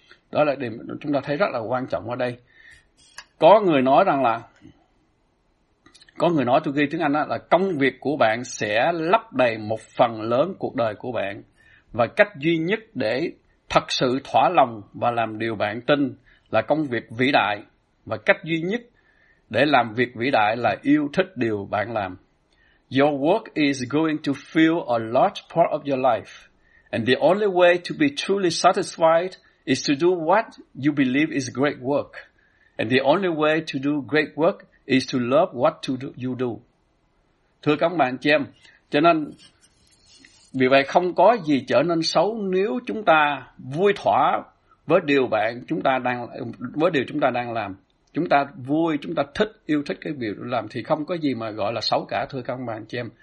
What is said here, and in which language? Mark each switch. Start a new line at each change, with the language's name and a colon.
Vietnamese: Đó là điểm chúng ta thấy rất là quan trọng ở đây. Có người nói rằng là, có người nói, tôi ghi tiếng Anh đó, là công việc của bạn sẽ lấp đầy một phần lớn cuộc đời của bạn, và cách duy nhất để thật sự thỏa lòng và làm điều bạn tin là công việc vĩ đại, và cách duy nhất để làm việc vĩ đại là yêu thích điều bạn làm.
English: Your work is going to fill a large part of your life, and the only way to be truly satisfied is to do what you believe is great work. And the only way to do great work is to love what to do, you do.
Vietnamese: Thưa các bạn chị em, cho nên vì vậy không có gì trở nên xấu nếu chúng ta vui thỏa với điều bạn chúng ta đang, với điều chúng ta đang làm. Chúng ta vui, chúng ta thích, yêu thích cái việc làm thì không có gì mà gọi là xấu cả, thưa các bạn chị em.